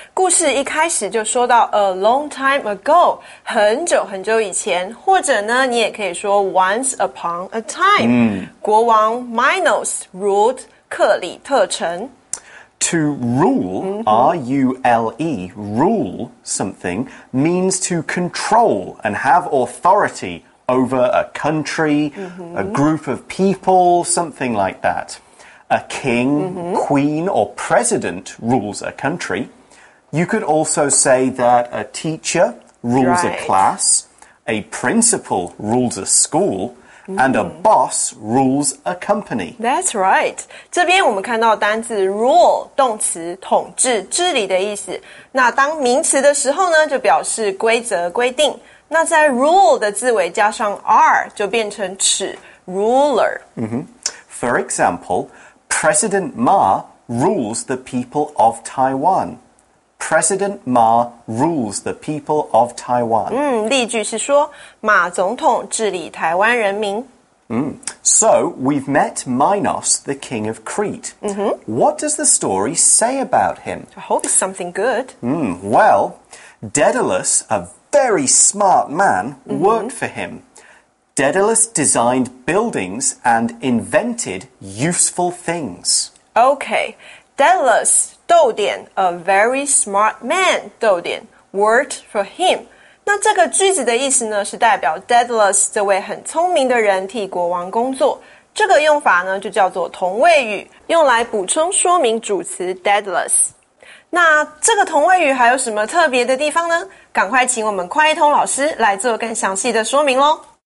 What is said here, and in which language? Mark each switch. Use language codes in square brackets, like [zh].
[zh] 故事一开始就说到 [en] a long time ago, [zh] 很久很久以前，或者呢，你也可以说 [en] once upon a time. [zh] 国王 Minos ruled 克里特城。 [en] To rule, R-U-L-E, rule something, means to control and have authority over a country, a group of people, something like that. A king, queen, or president rules a country. You could also say that a teacher rules a class, a principal rules a school, and a boss rules a company. That's right. [zh] 这边我们看到单字 rule, 动词统治、治理的意思。那当名词的时候呢，就表示规则、规定。那在 rule 的字尾加上 r, 就变成尺 ruler. [en] For example...President Ma rules the people of Taiwan. President Ma rules the people of Taiwan. [zh] 例句是说，马总统治理台湾人民。 [en] So, we've met Minos, the king of Crete. What does the story say about him? I hope it's something good. Well, Daedalus, a very smart man, worked for him. Daedalus designed buildings and invented useful things. Okay, Daedalus, 逗点, a very smart man, 逗点, worked for him. [zh] 那这个句子的意思呢，是代表 Daedalus 这位很聪明的人替国王工作。这个用法呢，就叫做同位语，用来补充说明主词 Daedalus。那这个同位语还有什么特别的地方呢？赶快请我们快一通老师来做更详细的说明咯。